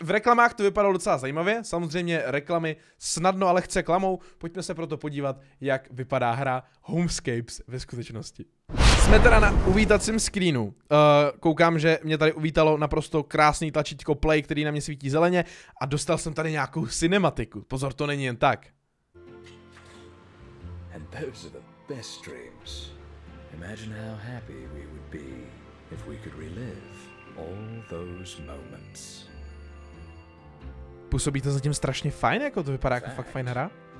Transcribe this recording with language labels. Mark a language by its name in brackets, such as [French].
[Czech] V reklamách to vypadalo docela zajímavě, samozřejmě reklamy snadno a lehce klamou, pojďme se proto podívat, jak vypadá hra Homescapes ve skutečnosti. Jsme teda na uvítacím screenu, koukám, že mě tady uvítalo naprosto krásný tlačítko play, který na mě svítí zeleně a dostal jsem tady nějakou cinematiku, pozor, to není jen tak. [English] And those are the best dreams. Imagine how happy we would be if we could relive all those moments. [Czech] Působí to zatím strašně fajn, jako to vypadá jako fakt fajn hra.